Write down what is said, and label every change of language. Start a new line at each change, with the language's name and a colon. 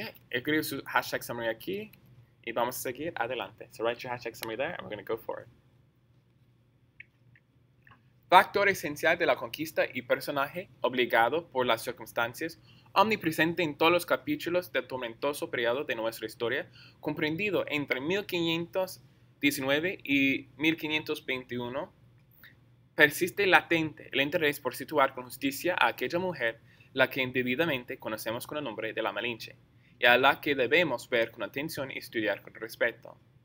Spanish: Escribe su
English: hashtag summary
Spanish: aquí y vamos a seguir adelante.
English: So write your hashtag summary there and we're going to go for it.
Spanish: Factor esencial de la conquista y personaje obligado por las circunstancias, omnipresente en todos los capítulos del tormentoso periodo de nuestra historia, comprendido entre 1519 y 1521, persiste latente el interés por situar con justicia a aquella mujer la que indebidamente conocemos con el nombre de la Malinche, y a la que debemos ver con atención y estudiar con respeto.